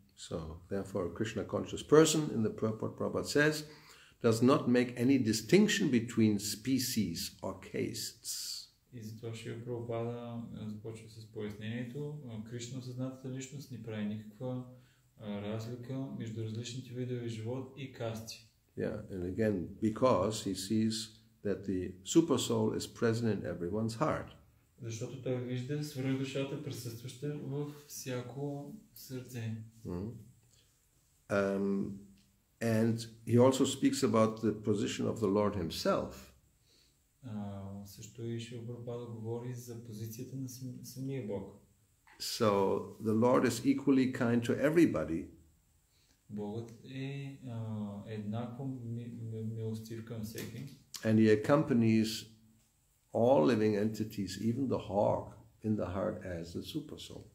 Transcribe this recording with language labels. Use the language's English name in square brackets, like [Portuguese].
[English] So, therefore, a Krishna conscious person, in the purport Prabhupada says, does not make any distinction between species or castes. [Bulgarian] И затова ще я Прабхупада започва с пояснението. Кришна съзнатата личност не прави никаква разлика между различните видове живот и касти. [English] Yeah, and again, because he sees that the super soul is present in everyone's heart. [Bulgarian] Защото той вижда свръхдушата присъстваща в всяко сърце. [English] And he also speaks about the position of the Lord himself. [Bulgarian] Също и Шрила Прабхупада говори за позицията на самия Бог. [English] So the Lord is equally kind to everybody. [Bulgarian] Богът е еднакво милостив към всеки. [English] And he accompanies all living entities, even the hawk, in the heart as the super soul.